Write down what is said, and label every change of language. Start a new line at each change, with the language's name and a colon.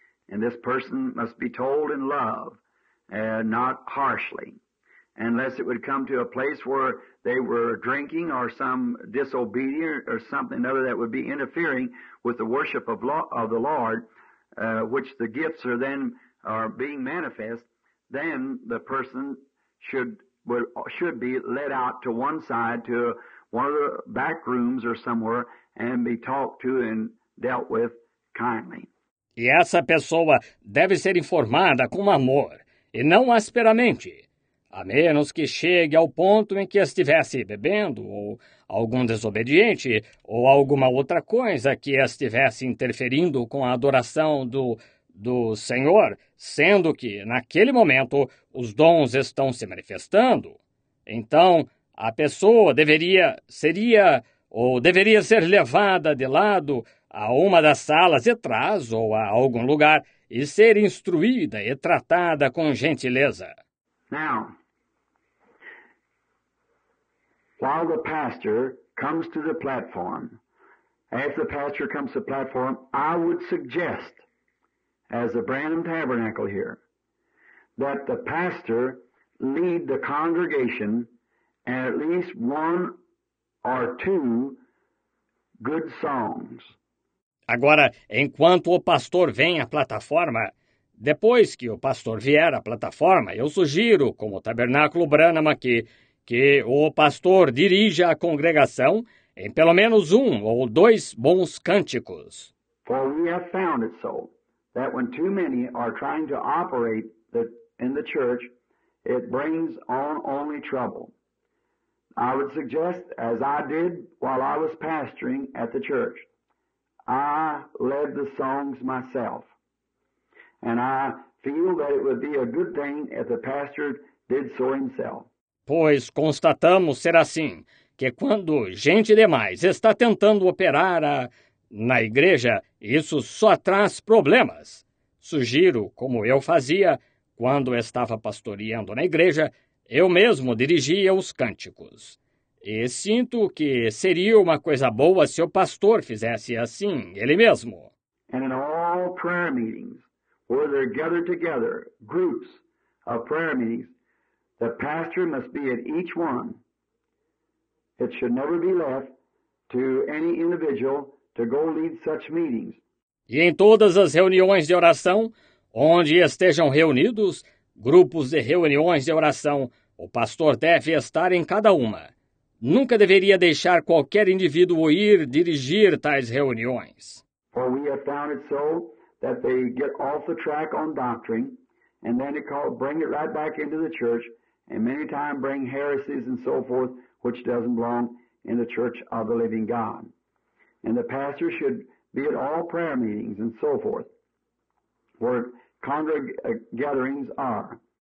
English: And this person must be told in love, not harshly, unless it would come to a place where they were drinking or some disobedient or something other that would be interfering with the worship of the Lord, which the gifts are then are being manifest, then the person should be led out to one side, to one of the back rooms or somewhere, and be talked to and dealt with kindly.
Portuguese: E essa pessoa deve ser informada com amor, e não asperamente, a menos que chegue ao ponto em que estivesse bebendo, ou algum desobediente, ou alguma outra coisa que estivesse interferindo com a adoração do Senhor, sendo que, naquele momento, os dons estão se manifestando. Então, a pessoa deveria ser levada de lado a uma das salas de trás ou a algum lugar e ser instruída e tratada com gentileza.
English: Now, while the pastor comes to the platform, as the pastor comes to the platform, I would suggest, as the Branham Tabernacle here, that the pastor lead the congregation and at least one or two good songs.
Portuguese: Agora, enquanto o pastor vem à plataforma, depois que o pastor vier à plataforma, eu sugiro, como o Tabernáculo Branham aqui, que o pastor dirija a congregação em pelo menos um ou dois bons cânticos.
English: For we have found it so, that when too many are trying to operate in the church, it brings on only trouble. I would suggest, as I did while I was pastoring at the church, I led the songs myself. And I feel that it would be a good thing if the pastor did so himself.
Portuguese: Pois constatamos ser assim, que quando gente demais está tentando operar na igreja, isso só traz problemas. Sugiro, como eu fazia, quando estava pastoreando na igreja, eu mesmo dirigia os cânticos. E sinto que seria uma coisa boa se o pastor fizesse assim, ele mesmo.
English: And in all prayer meetings, where they're gathered together, groups of prayer meetings, the pastor must be at each one. It should never be left to any individual to go lead such meetings.
Portuguese: E em todas as reuniões de oração, onde estejam reunidos, grupos de reuniões de oração, o pastor deve estar em cada uma. Nunca deveria deixar qualquer indivíduo ir dirigir tais reuniões.
English: For we have found it so that they get off the track on doctrine and then they call, bring it right back into the church. And many times bring heresies and so forth, which doesn't belong in the church of the living God. And the pastor should be at all prayer meetings and so forth, where gatherings are.